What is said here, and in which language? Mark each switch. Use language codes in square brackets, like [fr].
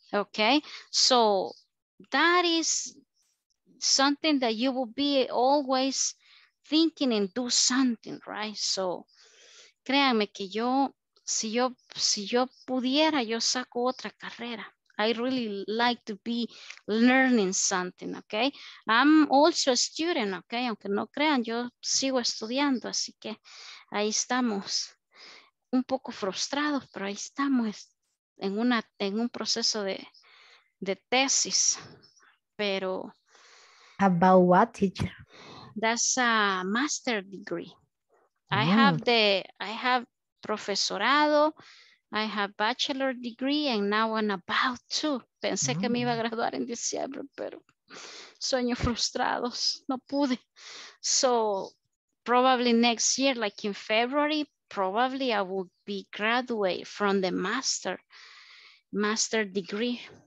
[en] Okay, so that is something that you will be always thinking and do something, right? [es] So, créanme que yo, si yo pudiera, yo saco otra carrera, [en] I really like to be learning something, okay? I'm also a student, okay? [es] Aunque no crean, yo sigo estudiando, así que ahí estamos. Un poco frustrados, pero ahí estamos en una en un proceso de tesis. Pero [en] about what, teacher? That's a master degree. Oh. I have profesorado. I have bachelor degree and now I'm about to. [es] Pensé que me iba a graduar en diciembre, pero sueños frustrados, no pude. [en] So probably next year, like in February, probably I will be graduate from the master degree.